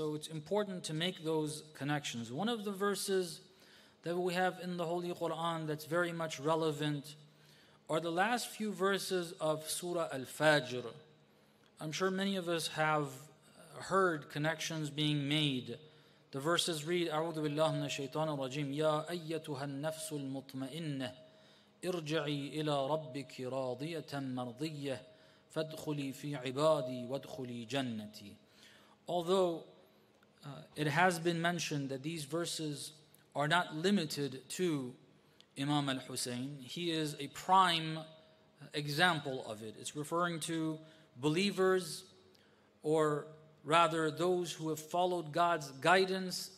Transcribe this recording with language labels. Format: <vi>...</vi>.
<en>So it's important to make those connections. One of the verses that we have in the Holy Quran that's very much relevant are the last few verses of Surah Al-Fajr. I'm sure many of us have heard connections being made. The verses read,</en> <ar>أعوذ بالله من الشيطان الرجيم يا أيتها النفس المطمئنة ارجعي إلى ربك راضية مرضية فَادْخُلِي فِي عِبَادِي وَادْخُلِي جَنَّتِي.</ar> <en>Although it has been mentioned that these verses are not limited to Imam al-Hussein, he is a prime example of it. It's referring to believers, or rather those who have followed God's guidance.</en>